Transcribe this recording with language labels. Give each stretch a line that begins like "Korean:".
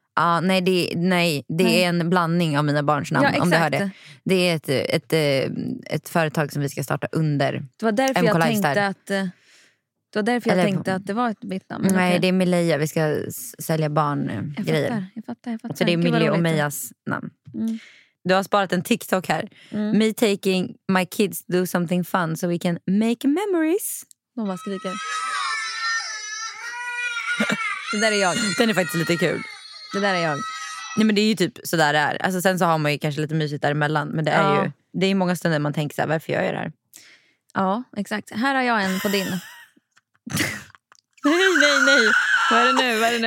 Swedish: Ja, nej, det är en blandning av mina barns namn, ja, om du hör det. Det är ett företag som vi ska starta under. Det var därför MK jag Lifestyle. Tänkte att... Det var därför jag eller, tänkte att det var ett mitt namn. Nej, okay. Det är Mileja. Vi ska sälja barngrejer. Jag fattar. Så det är Mille och Mejas namn. Mm. Du har sparat en TikTok här. Mm.
English: Me taking my kids do something fun so we can make memories.
Swedish: De bara skriker. Det där är jag. Den är faktiskt lite kul. Det där är jag. Nej, men det är ju typ så där det är. Alltså, sen så har man ju kanske lite mysigt däremellan. Men det är ju det är många stunder man tänker så här, varför gör jag det här? Ja, exakt. Här har jag en på din. Nej. Vad är det nu?